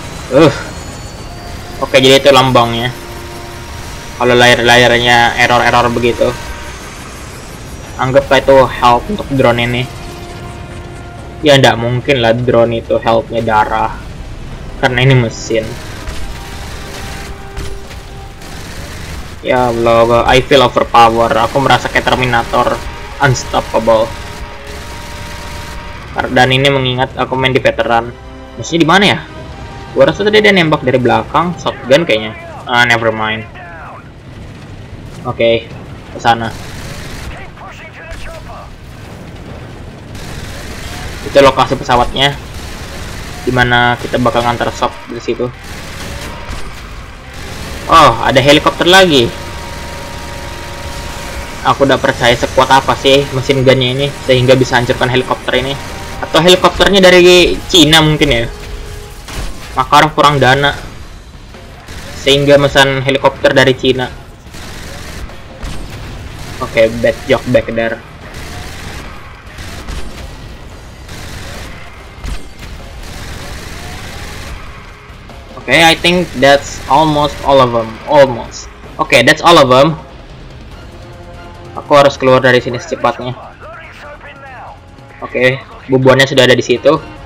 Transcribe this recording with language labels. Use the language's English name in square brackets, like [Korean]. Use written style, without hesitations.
[Indonesian] Oke, okay, jadi itu lambangnya. Kalau layar-layarnya error-error begitu, anggaplah itu help untuk drone ini. Ya, tidak mungkin lah drone itu helpnya darah, karena ini mesin. [English] Ya Allah, I feel overpowered. [Indonesian] Aku merasa kayak Terminator, unstoppable. Dan ini mengingat aku main di Veteran. Maksudnya di mana ya? Gua rasa tadi dia nembak dari belakang, shotgun kayaknya. [English] Ah, never mind. [Indonesian] Oke, okay, kesana. Itu lokasi pesawatnya, dimana kita bakal ngantar sop dari situ. Oh, ada helikopter lagi. Aku udah percaya sekuat apa sih mesin gunnya ini sehingga bisa hancurkan helikopter ini. Atau helikopternya dari Cina mungkin ya. Makarov kurang dana sehingga mesin helikopter dari Cina. [English] Oke, okay, bad joke back there. Oke, okay, I think that's almost all of them. Almost. Oke, okay, that's all of them. [Indonesian] Aku harus keluar dari sini secepatnya. Oke, okay, bubuannya sudah ada di situ.